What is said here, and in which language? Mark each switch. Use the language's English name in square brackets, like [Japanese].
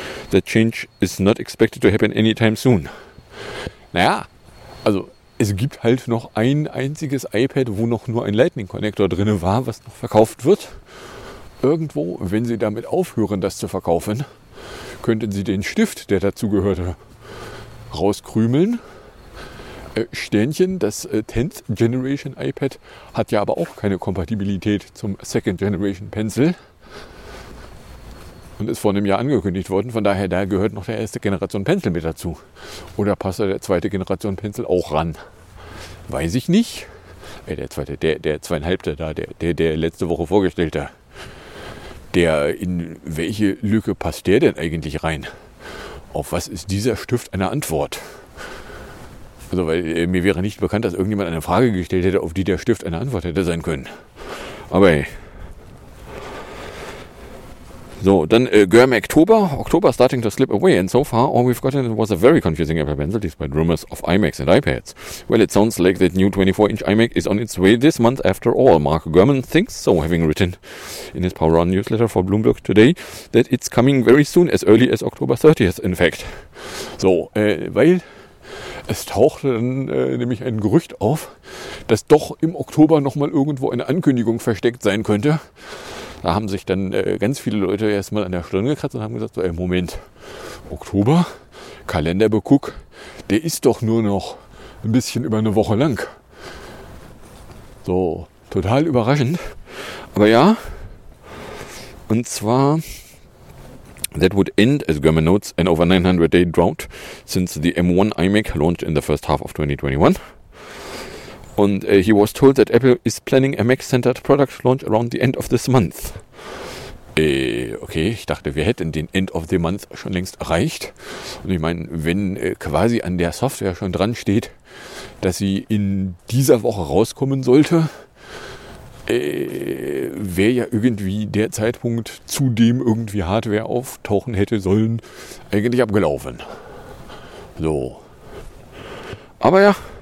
[English] That change is not expected to happen anytime soon. [German] Naja, also es gibt halt noch ein einziges iPad, wo noch nur ein Lightning Connector drin war, was noch verkauft wird. Irgendwo, wenn sie damit aufhören, das zu verkaufen, könnten sie den Stift, der dazugehörte, rauskrümeln. Sternchen, das 10th Generation iPad hat ja aber auch keine Kompatibilität zum 2nd Generation Pencil und ist vor einem Jahr angekündigt worden. Von daher, da gehört noch der erste Generation Pencil mit dazu. Oder passt da der zweite Generation Pencil auch ran? Weiß ich nicht. Der letzte Woche vorgestellte. Der, in welche Lücke passt der denn eigentlich rein? Auf was ist dieser Stift eine Antwort? Also, weil mir wäre nicht bekannt, dass irgendjemand eine Frage gestellt hätte, auf die der Stift eine Antwort hätte sein können. Aber so, dann Gurm-Oktober. [English] Oktober starting to slip away and so far all we've gotten was a very confusing Apple Pencil despite rumors of iMacs and iPads. Well, it sounds like that new 24-inch iMac is on its way this month after all. Mark Gurman thinks so, having written in his Power On newsletter for Bloomberg today that it's coming very soon, as early as October 30th in fact. [German] So, weil es tauchte dann nämlich ein Gerücht auf, dass doch im Oktober nochmal irgendwo eine Ankündigung versteckt sein könnte. Da haben sich dann ganz viele Leute erstmal an der Stirn gekratzt und haben gesagt, so, ey, Moment, Oktober, Kalenderbeguck, der ist doch nur noch ein bisschen über eine Woche lang. So, total überraschend. Aber ja, und zwar, [English] that would end, as German notes, an over 900-day drought since the M1 iMac launched in the first half of 2021. [German] Und [English] he was told that Apple is planning a Mac-centered product launch around the end of this month. [German] Okay, ich dachte, wir hätten den [English] End of the Month [German] schon längst erreicht. Und ich meine, wenn quasi an der Software schon dran steht, dass sie in dieser Woche rauskommen sollte, Wäre ja irgendwie der Zeitpunkt, zu dem irgendwie Hardware auftauchen hätte sollen, eigentlich abgelaufen. So. Aber ja.